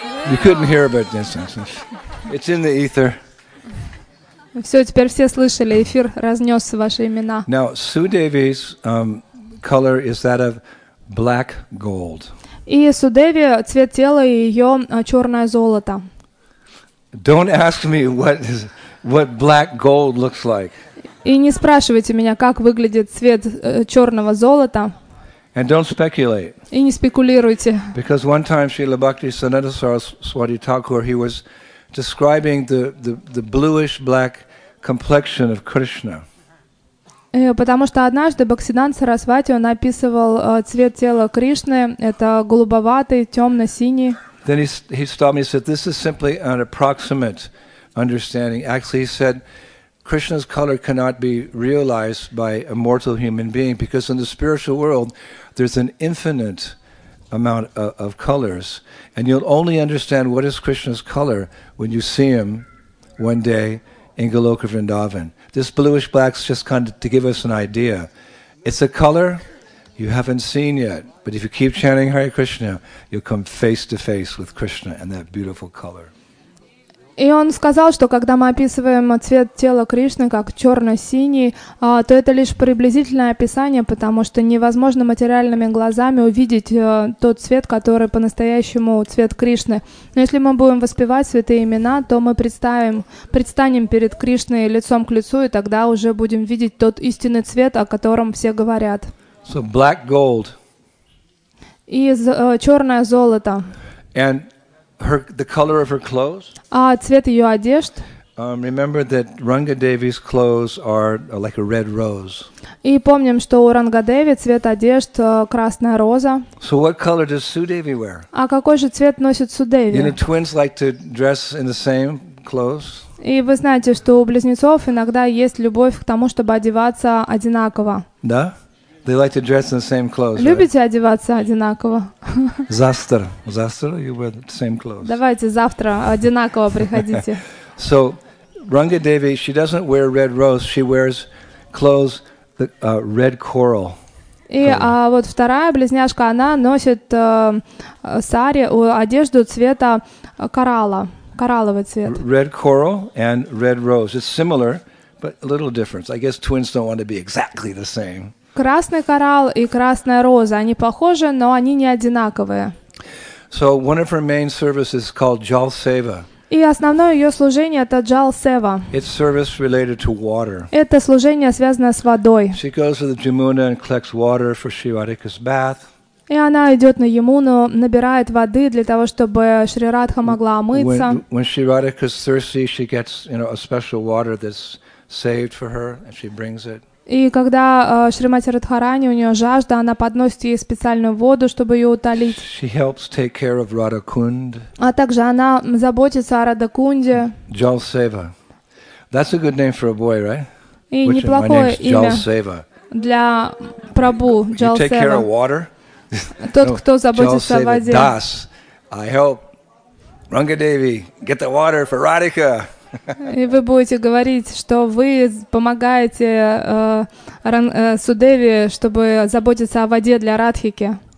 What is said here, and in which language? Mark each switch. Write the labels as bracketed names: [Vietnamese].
[English] You couldn't hear, but it's in the ether. [Russian] Все, теперь все слышали, эфир разнес ваши имена. [English] Now, Sudevi's color is that of black gold. [Russian] И Судеви цвет тела ее черное золото. [English] Don't ask me what black gold looks like. [Russian] И не спрашивайте меня, как выглядит цвет черного золота. [English] And don't speculate. [Russian] И не спекулируйте. [English] Because one time Srila Bhakti Sananda Saraswati Thakur, he was describing the bluish black complexion of Krishna. [Russian] Потому что однажды Бхактисиддханта Сарасвати он описывал цвет тела Кришны, это голубоватый, темно-синий. [English] Then he stopped me and said, "This is simply an approximate understanding." Actually, he said, "Krishna's color cannot be realized by a mortal human being because in the spiritual world there's an infinite amount of colors, and you'll only understand what is Krishna's color when you see him one day in Goloka Vrindavan." This bluish black is just kind of to give us an idea. It's a color you haven't seen yet, but if you keep chanting Hare Krishna, you'll come face to face with Krishna and that beautiful color. [Russian] И он сказал, что когда мы описываем цвет тела Кришны как черно-синий, то это лишь приблизительное описание, потому что невозможно материальными глазами увидеть тот цвет, который по-настоящему цвет Кришны. Но если мы будем воспевать святые имена, то мы предстанем перед Кришной лицом к лицу, и тогда уже будем видеть тот истинный цвет, о котором все говорят. [English] So black gold. [Russian] Из черное золото. [English] And the color of her clothes. [Russian] А цвет ее одежд. [English] Remember that Rangadevi's clothes are like a red rose. [Russian] И помним, что у Рангадеви цвет одежд красная роза. [English] So what color does Sudevi wear? [Russian] А какой же цвет носит Судеви? [English] You know, twins like to dress in the same clothes. [Russian] И вы знаете, что у близнецов иногда есть любовь к тому, чтобы одеваться одинаково. Да? [English] They like to dress in the same clothes. [Russian] Любите [English] right? [Russian] одеваться одинаково. Завтра [English] you wear the same clothes. [Russian] Давайте завтра одинаково приходите. [English] So, Rangadevi, she doesn't wear red rose. She wears clothes that red coral. [Russian] И вот вторая близняшка, она носит сари, одежду цвета коралла, коралловый цвет. [English] Red coral and red rose. It's similar, but a little difference. I guess twins don't want to be exactly the same. [Russian] Красный коралл и красная роза, они похожи, но они не одинаковые. [English] So one of her main services is called Jal Seva. [Russian] И основное ее служение — это Jal Seva. [English] It's service related to water. [Russian] Это служение связано с водой. [English] She goes to the Jamuna and collects water for Sri Radhika's bath. [Russian] И она идет на Ямуну, набирает воды для того, чтобы Шри Радха могла омыться. [English] When Sri Radhika is thirsty, she gets, you know, a special water that's saved for her, and she brings it. [Russian] И когда Шримати Радхарани, у нее жажда, она подносит ей специальную воду, чтобы ее утолить. [English] She helps take care of Radha Kund. [Russian] А также она заботится о Радха Кунде. [English] Jal Seva. That's a good name for a boy, right? [Russian] И неплохое имя для Прабу, Jal Seva. [English] You take care of water? [Russian] Тот, кто заботится о воде. [English] Das, I help Ranga Devi get the water for Radhika. [Russian] И вы будете говорить, что вы помогаете Судеве, чтобы заботиться о воде для Радхики.